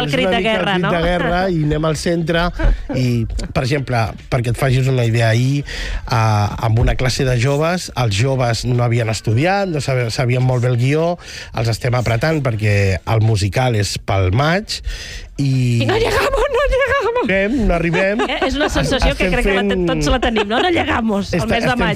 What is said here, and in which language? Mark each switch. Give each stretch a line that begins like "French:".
Catalan: El crit de guerra, no? El crit de guerra i anem al centre i... Per exemple, perquè et facis una idea, ahir amb una classe de joves, els joves no havien estudiat, no sabien molt bé el guió, els estem apretant perquè el musical és pel maig
Spanish: i no llegamos, no llegamos.
Catalan: No arribem. És una sensació que crec que tots la tenim, no?
Spanish: No llegamos,
Catalan: el mes de maig.